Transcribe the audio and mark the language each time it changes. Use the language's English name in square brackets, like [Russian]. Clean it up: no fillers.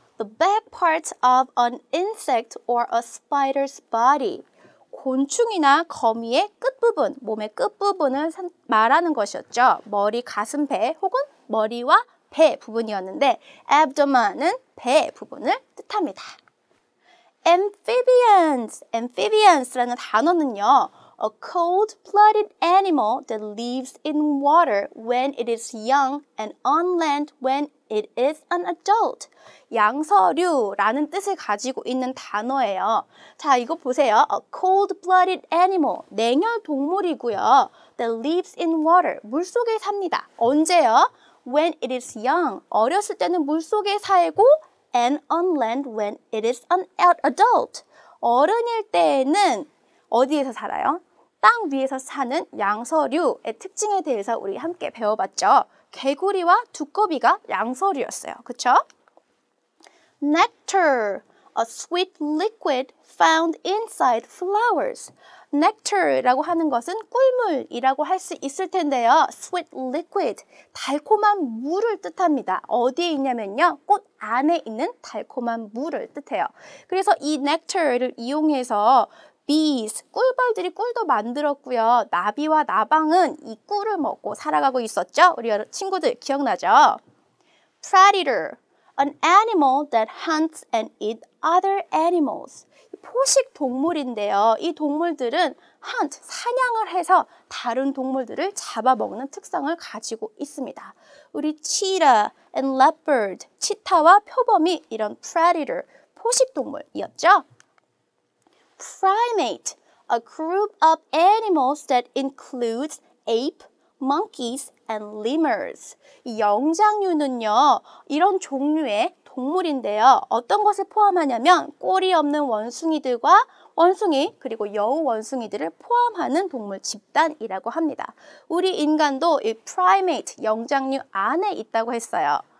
[English] The back part of an insect or a spider's body. [Korean] 곤충이나 거미의 끝부분, 몸의 끝부분을 말하는 것이었죠. 머리, 가슴, 배 혹은 머리와 배 부분이었는데 abdomen은 배 부분을 뜻합니다. Amphibians라는 단어는요. [English] A cold-blooded animal that lives in water when it is young and on land when it is an adult. [Korean] 양서류라는 뜻을 가지고 있는 단어예요. 자, 이거 보세요. [English] A cold-blooded animal, [Korean] 냉혈 동물이고요. [English] That lives in water, [Korean] 물속에 삽니다. 언제요? [English] When it is young, [Korean] 어렸을 때는 물속에 살고 [English] and on land when it is an adult. [Korean] 어른일 때에는 어디에서 살아요? 땅 위에서 사는 양서류의 특징에 대해서 우리 함께 배워봤죠. 개구리와 두꺼비가 양서류였어요. 그쵸? [English] Nectar, a sweet liquid found inside flowers. [Korean] Nectar라고 하는 것은 꿀물이라고 할 수 있을 텐데요. [English] Sweet liquid, [Korean] 달콤한 물을 뜻합니다. 어디에 있냐면요. 꽃 안에 있는 달콤한 물을 뜻해요. 그래서 이 nectar를 이용해서 Bees, 꿀벌들이 꿀도 만들었고요. 나비와 나방은 이 꿀을 먹고 살아가고 있었죠? 우리 친구들 기억나죠? [English] Predator, an animal that hunts and eats other animals. [Korean] 포식 동물인데요. 이 동물들은 hunt, 사냥을 해서 다른 동물들을 잡아먹는 특성을 가지고 있습니다. 우리 [English] cheetah and leopard, [Korean] 치타와 표범이 이런 predator, 포식 동물이었죠? [English] Primate, a group of animals that includes ape, monkeys, and lemurs. [Korean] 영장류는요, 이런 종류의 동물인데요. 어떤 것을 포함하냐면 꼬리 없는 원숭이들과 원숭이, 그리고 여우 원숭이들을 포함하는 동물 집단이라고 합니다. 우리 인간도 이 primate, 영장류 안에 있다고 했어요.